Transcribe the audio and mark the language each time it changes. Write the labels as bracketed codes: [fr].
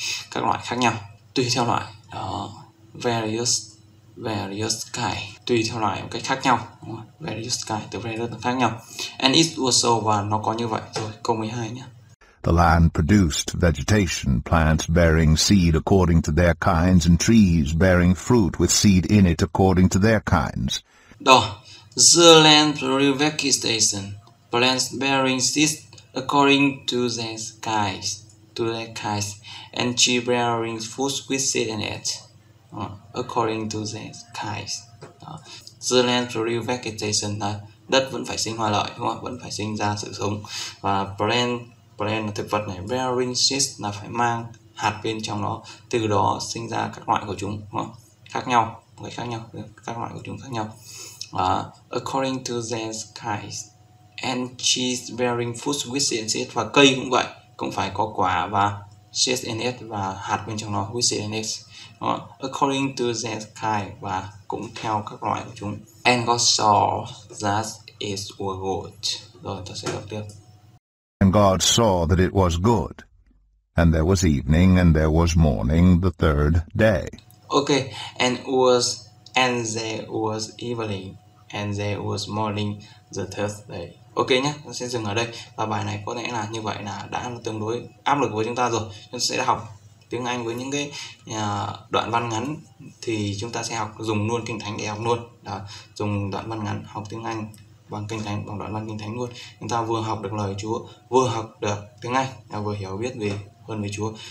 [vi] Các loại khác nhau tùy theo loại đó, [en] various kind [vi] tùy theo loại một cách khác nhau, đúng không? [en] Various kind [vi] từ various là khác nhau, [en] and it also, [vi] và nó có như vậy. Rồi câu 12 nhé. [en] The land produced vegetation, plants bearing seed according to their kinds, and trees bearing fruit with seed in it according to their kinds. Đó, the land produced vegetation, plants bearing seed according to their kinds, and trees bearing fruit with seed in it according to their kinds. [vi] Đó. [en] The land produced vegetation, [vi] đất vẫn phải sinh hoa lợi, đúng không? Vẫn phải sinh ra sự sống, và plant là thực vật này, [en] bearing seed [vi] là phải mang hạt bên trong nó, từ đó sinh ra các loại của chúng khác nhau, người khác nhau, các loại của chúng khác nhau. [en] According to their kinds, and trees bearing fruit with seed, [vi] và cây cũng vậy, cũng phải có quả và [en] seed in it, [vi] và hạt bên trong nó [en] with seed in it. According to their kind, [vi] và cũng theo các loại của chúng. [en] And God saw that it was good. [vi] Rồi ta sẽ đọc tiếp. [en] And God saw that it was good. And there was evening, and there was morning, the third day. Okay, and there was evening, and there was morning, the third day. [vi] Okay nhé, ta sẽ dừng ở đây. Và bài này có lẽ là như vậy là đã tương đối áp lực với chúng ta rồi. Chúng ta sẽ học tiếng Anh với những cái đoạn văn ngắn, thì chúng ta sẽ học dùng luôn Kinh Thánh để học luôn. Đó, dùng đoạn văn ngắn học tiếng Anh bằng Kinh Thánh, bằng đoạn văn Kinh Thánh luôn. Chúng ta vừa học được lời Chúa, vừa học được tiếng Anh, vừa hiểu biết về hơn về Chúa.